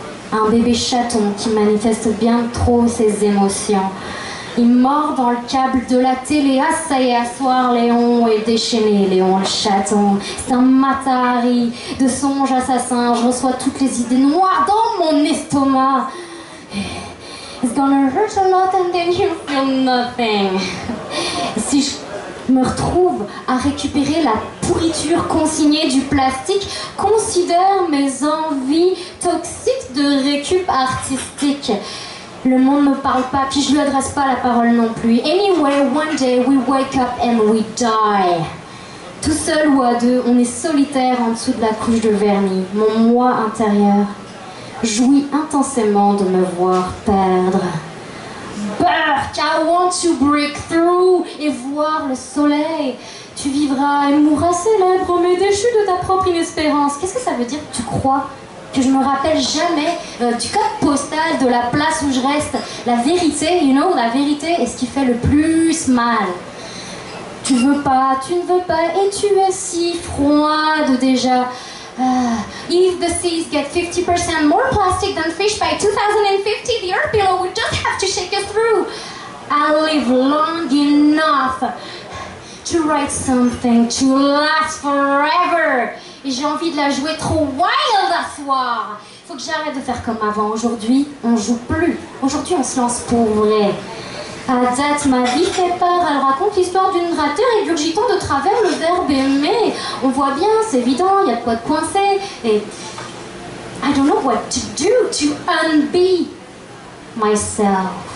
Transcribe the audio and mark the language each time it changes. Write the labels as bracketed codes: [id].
[fr] Un bébé chaton qui manifeste bien trop ses émotions. Il mord dans le câble de la télé. Ah, ça y est, asseoir, Léon est déchaîné. Léon le chaton, c'est un matahari de songe assassin. Je reçois toutes les idées noires dans mon estomac. [en] It's gonna hurt a lot and then you feel nothing. [fr] Si je me retrouve à récupérer la pourriture consignée du plastique, considère mes envies toxiques de récup artistique. Le monde ne me parle pas, puis je ne lui adresse pas la parole non plus. [en] Anyway, one day we wake up and we die. [fr] Tout seul ou à deux, on est solitaire en dessous de la couche de vernis. Mon moi intérieur jouit intensément de me voir perdre. [en] Burk, I want to break through [fr] et voir le soleil. Tu vivras et mourras célèbre, mais déchu de ta propre inespérance. Qu'est-ce que ça veut dire, tu crois? Que je me rappelle jamais du code postal, de la place où je reste. La vérité, [en] you know, [fr] la vérité est ce qui fait le plus mal. Tu veux pas, tu ne veux pas, et tu es si froide déjà. [en] If the seas get 50% more plastic than fish by 2050, the earth below would just have to shake us through. I'll live long enough to write something to last forever. [fr] Et j'ai envie de la jouer trop wild à soir. Faut que j'arrête de faire comme avant. Aujourd'hui, on joue plus. Aujourd'hui, on se lance pour vrai. À date, ma vie fait peur, elle raconte l'histoire d'une rateur régurgitant de travers le verbe aimer. On voit bien, c'est évident, il y a de quoi de coincer. Et [en] I don't know what to do to unbe myself.